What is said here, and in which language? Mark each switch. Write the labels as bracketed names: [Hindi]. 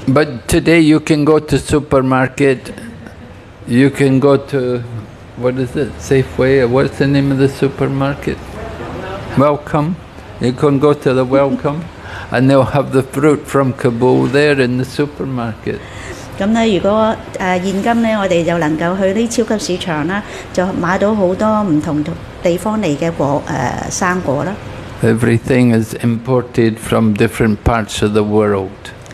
[English] But today you can go to supermarket, you can go to, what is it, Safeway, what's the name of the supermarket? Welcome. You can go to the Welcome and they'll have the fruit from Kabul there in the supermarket. [Chinese] 如果现今我们就能够去超级市场,就买到很多不同地方来的生果。 [English] Everything is imported from different parts of the world.